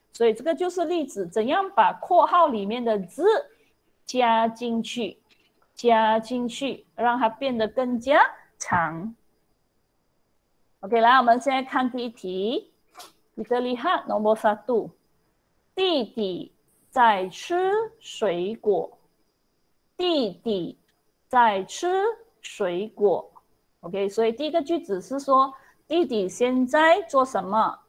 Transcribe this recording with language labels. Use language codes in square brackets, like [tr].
[ms] So, ini adalah contoh bagaimana masukkan perkataan yang dalam kurungan [zh] 加进去，加进去，让它变得更加长。 OK，来，我们现在看第一题。 [ms] Kita lihat nomor satu， [zh] 弟弟在吃水果。弟弟在吃水果。 OK，所以第一个句子是说弟弟现在做什么？